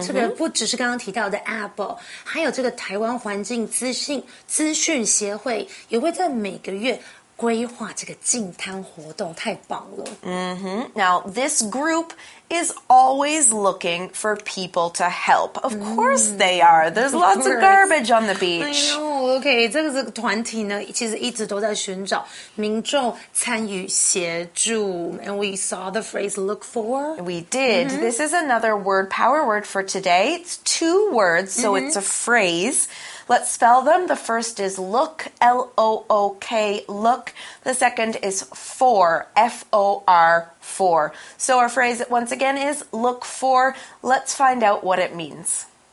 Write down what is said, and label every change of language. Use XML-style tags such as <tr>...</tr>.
<zh>这个不只是刚刚提到的 app, 还有这个台湾环境资讯协会也会在每个月规划这个净滩活动，太棒了。</zh> <en>Now, this group is always looking for people to help. Of course they are. There's lots of garbage on the beach.</en> <zh>Okay, 这个团体呢，其实一直都在寻找民众参与协助。</zh> <en>And we saw the phrase look for. We did. This is another word, power word for today. It's two words, so it's a phrase. Let's spell them. The first is look, L-O-O-K, look. The second is for, F-O-R, for. So our phrase once again is look for. Let's find out what it means.</en>